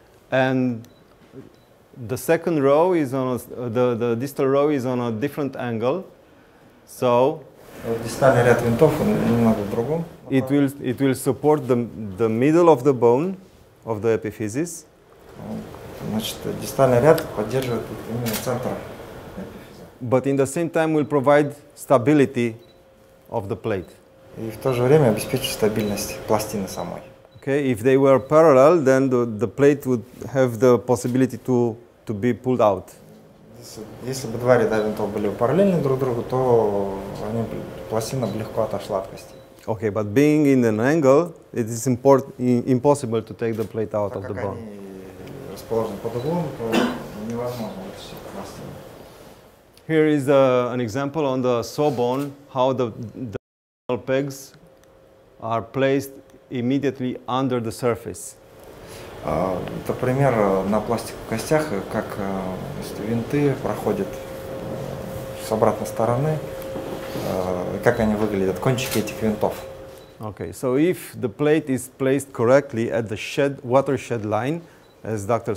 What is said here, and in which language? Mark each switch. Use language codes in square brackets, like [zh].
[en] And the second row is on the distal row is on a different angle, so. [ru] Дистальный ряд винтов немного в другом. [en] It will support the middle of the bone of the epiphysis. [ru] Значит, дистальный ряд поддерживает именно центр. [en] But in the same time will provide stability of the plate. [ru] И в то же время обеспечит стабильность пластины самой. [en] Okay, if they were parallel, then the plate would have the possibility to be pulled out. [ru] если бы два ряда винтов были параллельны друг другу, то они, пластина бы легко отошла от кости. [en] Okay, but being in an angle, it is impossible to take the plate out [ru] так [en] of the bone. [ru] Так как они расположены под углом, то невозможно вытащить пластину. [en] Here is an example on the saw bone, how the pegs are placed immediately under the surface. [ru] Это пример на пластиковых костях, как винты проходят с обратной стороны, как они выглядят, кончики этих винтов. [en] Okay, so if the plate is placed correctly at the shed, watershed line, as Dr.